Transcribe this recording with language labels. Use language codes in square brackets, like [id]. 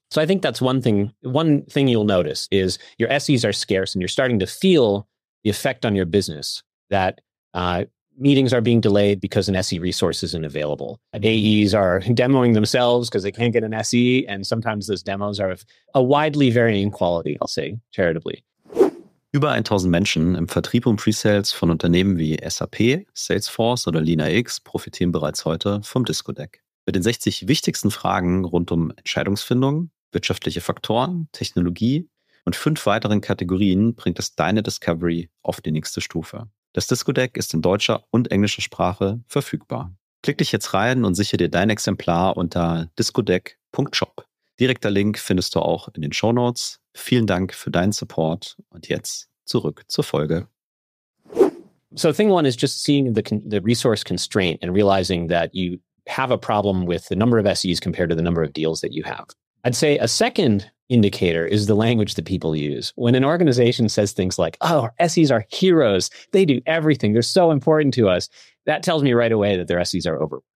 [en] So I think that's one thing. One thing you'll notice is your SEs are scarce and you're starting to feel the effect on your business that meetings are being delayed because an SE resource isn't available. AEs are demoing themselves because they can't get an SE. And sometimes those demos are of a widely varying quality, I'll say, charitably. [de] Über 1000 Menschen im Vertrieb und Presales von Unternehmen wie SAP, Salesforce oder LeanIX profitieren bereits heute vom Discodeck. Mit den 60 wichtigsten Fragen rund um Entscheidungsfindung, wirtschaftliche Faktoren, Technologie und 5 weiteren Kategorien bringt es deine Discovery auf die nächste Stufe. Das Discodeck ist in deutscher und englischer Sprache verfügbar. Klick dich jetzt rein und sichere dir dein Exemplar unter discodeck.shop. Direkter Link findest du auch in den Shownotes. Vielen Dank für deinen Support und jetzt zurück zur Folge. [en] So thing one is just seeing the resource constraint and realizing that you have a problem with the number of SEs compared to the number of deals that you have. I'd say a second indicator is the language that people use. When an organization says things like, oh, our SEs are heroes, they do everything, they're so important to us, that tells me right away that their SEs are over.